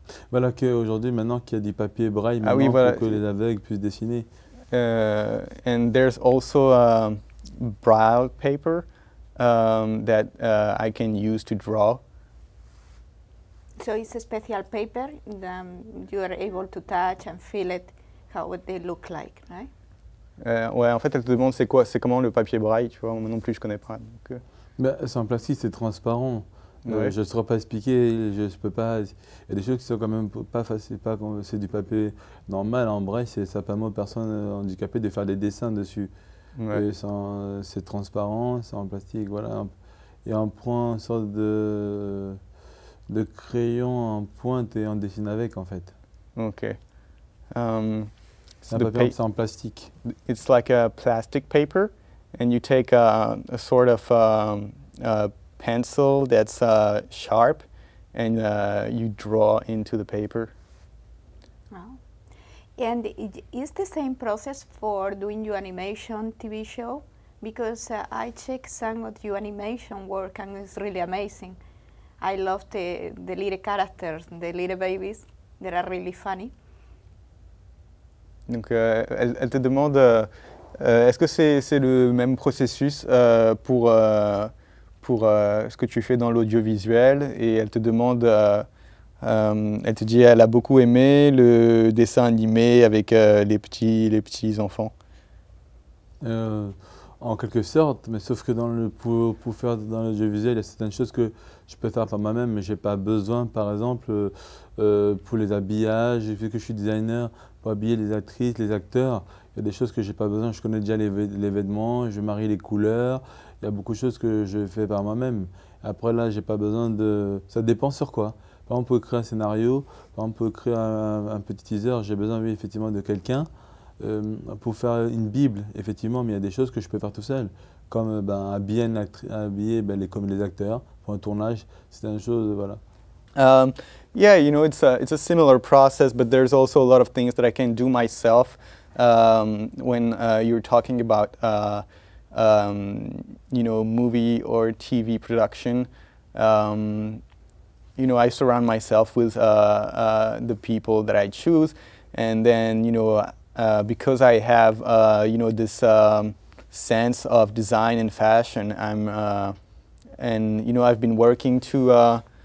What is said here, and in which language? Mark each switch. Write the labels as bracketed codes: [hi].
[fr] Voilà qu'aujourd'hui, maintenant qu'il y a du papier braille, maintenant, oui, voilà. Pour que les aveugles puissent dessiner. [en] And there's also braille paper that I can use to draw. So it's a special paper that you are able to touch and feel it, how would they look like, right? [fr] Ouais, en fait, elle te demande c'est comment le papier braille, tu vois, moi non plus je connais pas. Donc... Ben, c'est en plastique, c'est transparent. Ouais. Je ne saurais pas expliquer, je ne peux pas. Il y a des choses qui sont quand même pas faciles, pas comme c'est du papier normal en braille, c'est ça permet aux personnes handicapées de faire des dessins dessus. Ouais. Et c'est transparent, c'est en plastique, voilà. Et on prend une sorte de crayon en pointe et on dessine avec en fait. Ok. C'est un papier, c'est en plastique. [en] It's like a plastic paper, and you take a sort of pencil that's sharp, and you draw into the paper. Wow. And is the same process for doing your animation TV show? Because I check some of your animation work, and it's really amazing. I love the little characters, the little babies that are really funny. [fr] Donc, elle te demande, est-ce que c'est le même processus pour ce que tu fais dans l'audiovisuel? Et elle te demande, elle te dit, elle a beaucoup aimé le dessin animé avec les petits enfants. En quelque sorte, mais sauf que pour faire dans l'audiovisuel, il y a certaines choses que je peux faire par moi-même, mais je n'ai pas besoin, par exemple, pour les habillages, vu que je suis designer, pour habiller les actrices, les acteurs, il y a des choses que je n'ai pas besoin. Je connais déjà les vêtements, je marie les couleurs, il y a beaucoup de choses que je fais par moi-même. Après là, je n'ai pas besoin de... Ça dépend sur quoi. Par exemple, pour créer un scénario, par exemple, pour créer un petit teaser, j'ai besoin effectivement de quelqu'un. Pour faire une Bible, effectivement, mais il y a des choses que je peux faire tout seul, comme ben, habiller ben, les acteurs pour un tournage, c'est une chose, voilà. [en] Yeah, you know, it's a similar process, but there's also a lot of things that I can do myself. When you're talking about, you know, movie or TV production, you know, I surround myself with the people that I choose, and then, you know, because I have, you know, this sense of design and fashion, I'm, and, you know, I've been working to